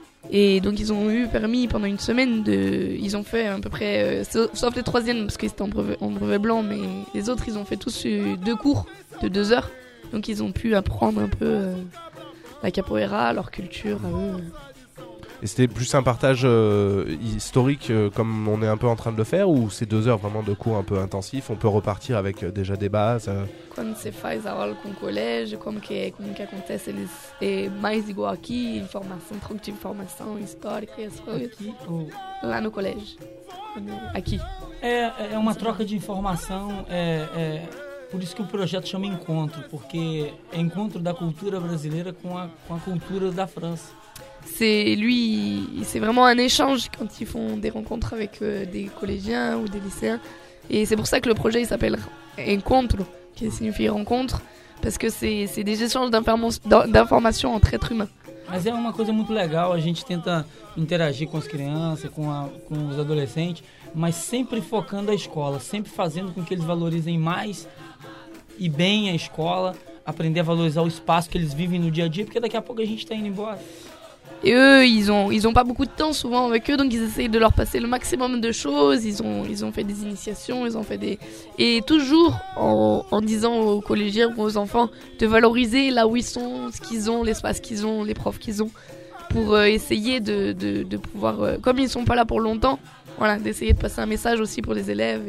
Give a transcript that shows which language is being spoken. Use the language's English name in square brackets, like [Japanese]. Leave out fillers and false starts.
[French] Et donc ils ont eu permis pendant une semaine ils ont fait à peu près sauf les troisièmes parce qu'ils étaient en brevet blanc, mais les autres ils ont fait tous deux cours de 2 heures, donc ils ont pu apprendre un peu la capoeira, leur culture à eux. Et c'était plus un partage historique comme on est un peu en train de le faire, ou ces 2 heures vraiment de cours un peu intensifs, on peut repartir avec déjà des bases [Portuguese] Quando se faz a aula com o colégio, como que acontece, eles é mais igual aqui, informação, tronco de informação histórica e as coisas. Aqui, lá no colégio. Aqui. É uma troca de informação, por isso que o projeto chama Encontro, porque é encontro da cultura brasileira com a cultura da França. [French] C'est vraiment un échange quand ils font des rencontres avec des collégiens ou des lycéens. Et c'est pour ça que le projet il s'appelle Encontro, qui signifie rencontre, parce que c'est des échanges d'informations entre êtres humains. [Portuguese] Mas é uma coisa muito legal, a gente tenta interagir com as crianças, com os adolescentes, mas sempre focando a escola, sempre fazendo com que eles valorizem mais e bem a escola, aprender a valorizar o espaço que eles vivem no dia a dia, porque daqui a pouco a gente está indo embora. [French] Et eux, ils ont pas beaucoup de temps souvent avec eux, donc ils essayent de leur passer le maximum de choses. Ils ont fait des initiations, ils ont fait des... Et toujours en disant aux collégiens ou aux enfants de valoriser là où ils sont, ce qu'ils ont, l'espace qu'ils ont, les profs qu'ils ont, pour essayer de pouvoir, comme ils sont pas là pour longtemps, voilà, d'essayer de passer un message aussi pour les élèves.